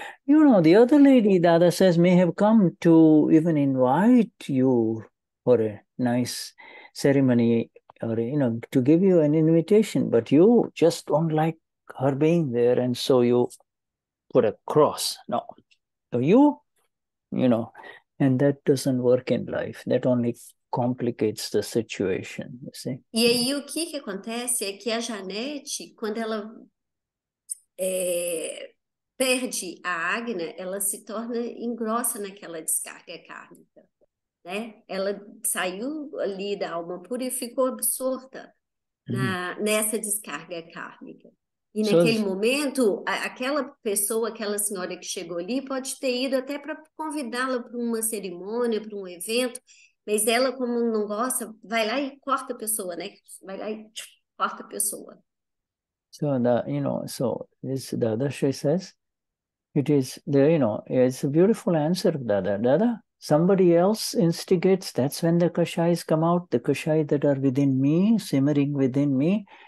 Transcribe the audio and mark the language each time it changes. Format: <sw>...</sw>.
<en>You know, the other lady, Dada says, may have come to even invite you for a nice ceremony or, you know, to give you an invitation. But you just don't like her being there. And so you put a cross. No. So you know, and that doesn't work in life. That only complicates the situation, you see.</en> <pt>E aí o que que acontece é que a Janete, quando ela perde a Agna, ela se torna engrossa naquela descarga kármica, né? Ela saiu ali da alma pura e ficou absorta nessa descarga kármica. E naquele momento, aquela pessoa, aquela senhora que chegou ali, pode ter ido até para convidá-la para uma cerimônia, para um evento, mas ela, como não gosta, vai lá e corta a pessoa, né? Vai lá e corta a pessoa.</pt> <en>So, so this Dada, she says, it is, you know, it's a beautiful answer, Dada. Somebody else instigates, that's when the kashayas come out, the kashayas that are within me, simmering within me.</en>